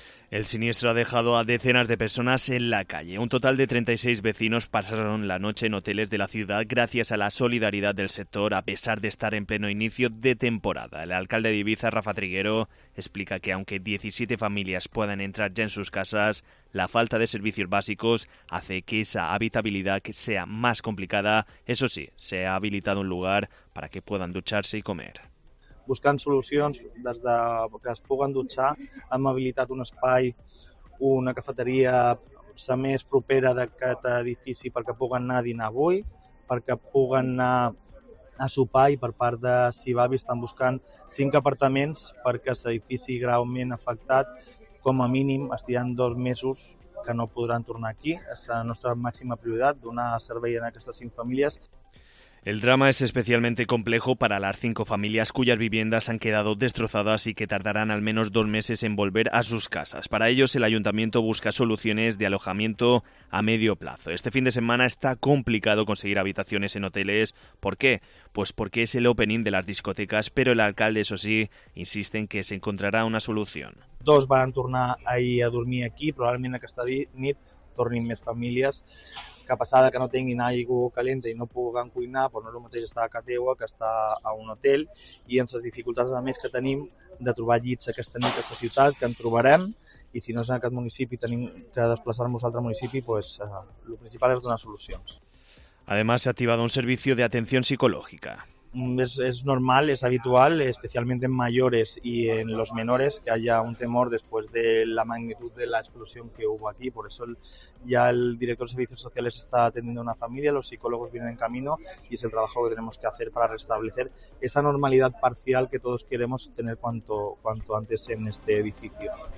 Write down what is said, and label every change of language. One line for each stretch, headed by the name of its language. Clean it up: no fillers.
Spanish: El siniestro ha dejado a decenas de personas en la calle. Un total de 36 vecinos pasaron la noche en hoteles de la ciudad gracias a la solidaridad del sector a pesar de estar en pleno inicio de temporada. El alcalde de Ibiza, Rafa Triguero, explica que aunque 17 familias puedan entrar ya en sus casas, la falta de servicios básicos hace que esa habitabilidad sea más complicada. Eso sí, se ha habilitado un lugar para que puedan ducharse y comer.
Catalan: Buscant solucions des de que es puguen dutxar, hem habilitat un espai, una cafeteria la més propera d'aquest edifici perquè puguen anar a dinar avui, perquè puguen anar a sopar i per part de Sibavi estan buscant 5 apartaments perquè aquest edifici greument afectat, com a mínim estiran 2 mesos que no podran tornar aquí. És la nostra màxima prioritat, donar servei a aquestes 5 famílies.
Spanish: El drama es especialmente complejo para las 5 familias cuyas viviendas han quedado destrozadas y que tardarán al menos 2 meses en volver a sus casas. Para ellos, el ayuntamiento busca soluciones de alojamiento a medio plazo. Este fin de semana está complicado conseguir habitaciones en hoteles. ¿Por qué? Pues porque es el opening de las discotecas, pero el alcalde, eso sí, insiste en que se encontrará una solución.
Catalan: 2 van tornar ahí a dormir aquí, probablemente a esta nit tornin més famílies, que a pesar que no tinguin aigua calenta i no puguen cuinar, però no és el mateix estar a Cateua que estar a un hotel, i amb les dificultats a més que tenim de trobar llits aquesta nit a la ciutat, que en trobarem, i si no és en aquest municipi tenim que desplaçar-nos a un altre municipi, pues, el principal és donar solucions. Además, s'ha activat un servicio de atenció psicològica.
Spanish: Es normal, es habitual, especialmente en mayores y en los menores, que haya un temor después de la magnitud de la explosión que hubo aquí. Por eso ya el director de servicios sociales está atendiendo a una familia, los psicólogos vienen en camino y es el trabajo que tenemos que hacer para restablecer esa normalidad parcial que todos queremos tener cuanto antes en este edificio.